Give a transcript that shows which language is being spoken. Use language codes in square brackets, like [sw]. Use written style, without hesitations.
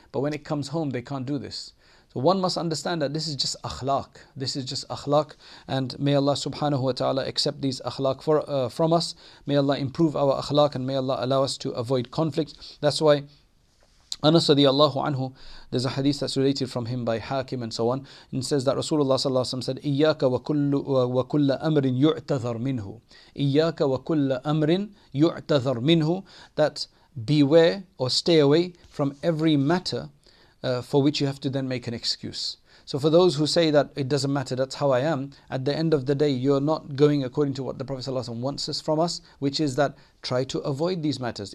[en] But when it comes home, they can't do this. One must understand that this is just akhlaq. This is just akhlaq. And may Allah subhanahu wa ta'ala accept these akhlaq from us. May Allah improve our akhlaq, and may Allah allow us to avoid conflict. That's why Anas radiallahu anhu, there's a hadith that's related from him by Hakim and so on. And says that Rasulullah sallallahu alayhi wa sallam said, [ar] إِيَّاكَ وَكُلَّ أَمْرٍ يُعْتَذَرْ مِنْهُ إِيَّاكَ وَكُلَّ أَمْرٍ يُعْتَذَرْ مِنْهُ. [en] That beware or stay away from every matter for which you have to then make an excuse. So for those who say that it doesn't matter, that's how I am, at the end of the day, you're not going according to what the Prophet ﷺ wants us from us, which is that try to avoid these matters.